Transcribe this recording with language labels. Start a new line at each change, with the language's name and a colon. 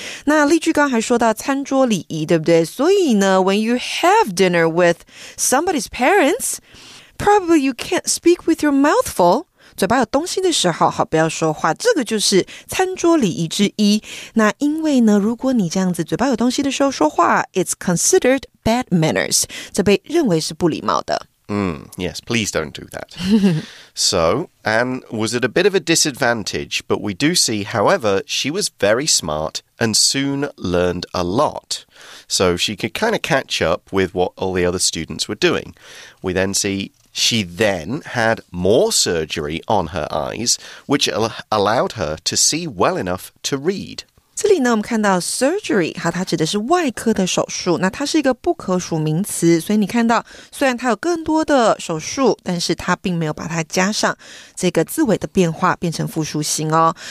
Chinese: 那例句刚还说到餐桌礼仪，对不对？所以呢
English: ，when you have dinner with somebody's parents。 Probably you can't speak with your mouth full.
Chinese: 嘴巴有东西的时候，好，不要说话。这个就是餐桌礼仪之一。那因为呢，如果你这样子嘴巴有东西的时候说话，
English: it's considered bad manners.
Chinese: 这被认为是不礼貌的。
English: Yes, please don't do that. So, Anne was at a bit of a disadvantage, but we do see, however, she was very smart and soon learned a lot. So she could kind of catch up with what all the other students were doing. We then see... She then had more surgery on her eyes, which allowed her to see well enough to read.
Chinese: 这里呢，我们看到 surgery， 好，它指的是外科的手术。那它是一个不可数名词，所以你看到，虽然它有更多的手术，但是它并没有把它加上这个字尾的变化，变成复数形哦。